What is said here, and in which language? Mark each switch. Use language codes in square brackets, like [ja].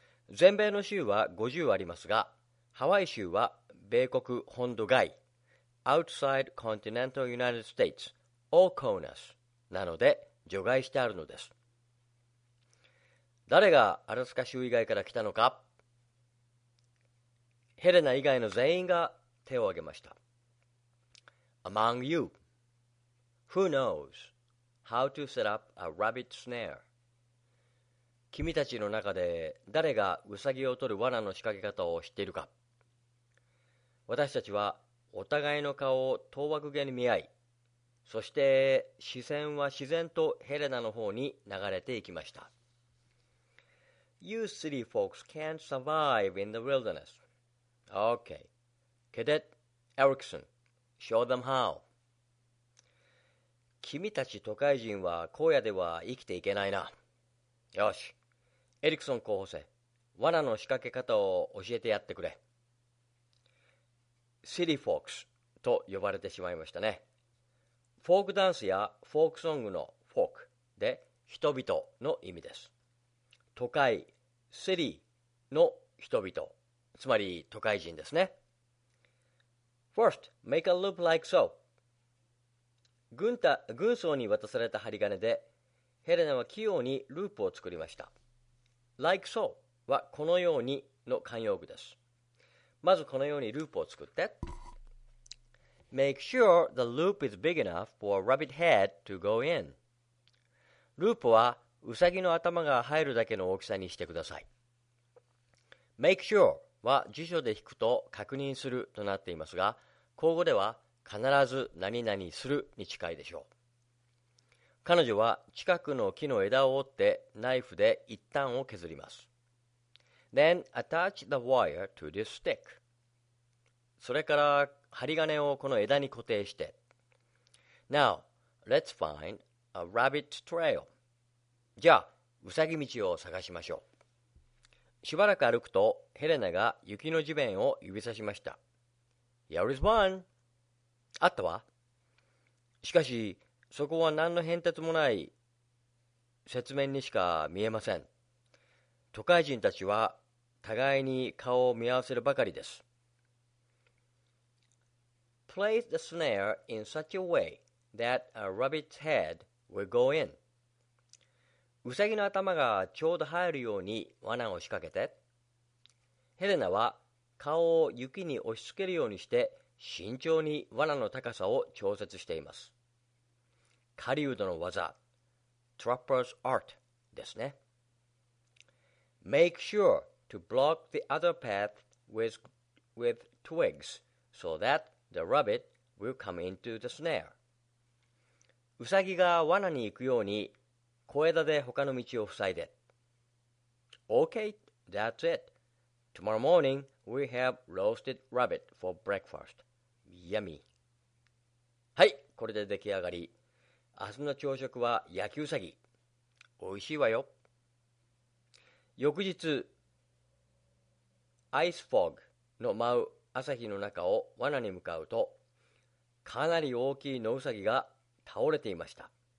[ja] 全米の州は50ありますが、ハワイ州は米国本土外 [en] Outside Continental United States or CONUS [ja] なので除外してあるのです。誰がアラスカ州以外から来たのか。ヘレナ以外の全員が手を挙げました。 [en] Among you who knows how to set up a rabbit snare? [ja] 君たちの中で誰がウサギを取る罠の仕掛け方を知っているか。私たちはお互いの顔を遠枠毛に見合い、そして視線は自然とヘレナの方に流れていきました。 [en] You city folks can't survive in the wilderness. Okay. Cadet Erickson, show them how. [ja] 君たち都会人は荒野では生きていけないな。よし、エリクソン候補生、罠の仕掛け方を教えてやってくれ。 [en] City folks [ja] と呼ばれてしまいましたね。フォークダンスやフォークソングのフォークで人々の意味です。都会、シティの人々、つまり都会人ですね。 [en] First, make a loop like so. [ja] 軍曹に渡された針金で、ヘレナは器用にループを作りました。 [en] Like so [ja] はこのようにの慣用句です。まずこのようにループを作って。 [en] Make sure the loop is big enough for a rabbit head to go in. [ja] ループはウサギの頭が入るだけの大きさにしてください。 [en] Make sure [ja] は辞書で引くと確認するとなっていますが、口語では必ず何々するに近いでしょう。彼女は近くの木の枝を折ってナイフで一端を削ります。 [en] Then attach the wire to this stick. [ja] それから針金をこの枝に固定して。 [en] Now, let's find a rabbit trail. [ja] じゃあ、うさぎ道を探しましょう。しばらく歩くと、ヘレナが雪の地面を指さしました。 [en] Here is one! [ja] あったわ。しかし、そこは何の変哲もない雪面にしか見えません。都会人たちは互いに顔を見合わせるばかりです。 [en] Place the snare in such a way that a rabbit's head will go in. [ja] ウサギの頭がちょうど入るように罠を仕掛けて。ヘレナは顔を雪に押し付けるようにして慎重に罠の高さを調節しています。カリウドの技、Trapper's Art ですね。 [en] Make sure to block the other path with twigs so that the rabbit will come into the snare. [ja] ウサギが罠に行くように小枝で他の道を塞いで。 [en] Okay, that's it. Tomorrow morning we have roasted rabbit for breakfast. Yummy. [ja] はい、これで出来上がり。明日の朝食は焼きうさぎ。おいしいわよ。翌日、アイスフォグの舞う朝日の中を罠に向かうと、かなり大きい野うさぎが倒れていました。